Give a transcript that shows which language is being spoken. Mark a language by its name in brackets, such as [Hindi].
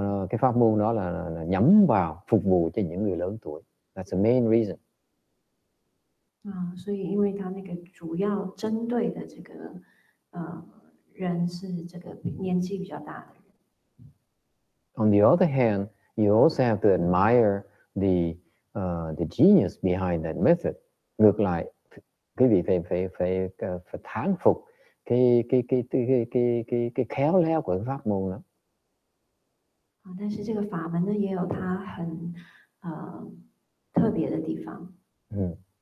[Vietnamese] cái pháp môn đó là nhắm vào phục vụ cho những người lớn tuổi. [English] That's the main reason. On the other hand, you also have to admire the genius behind that method. [Vietnamese] Ngược lại, quý vị phải thán phục cái khéo léo của pháp môn đó. [Chinese] 但是这个法门呢也有它很特别的地方。嗯,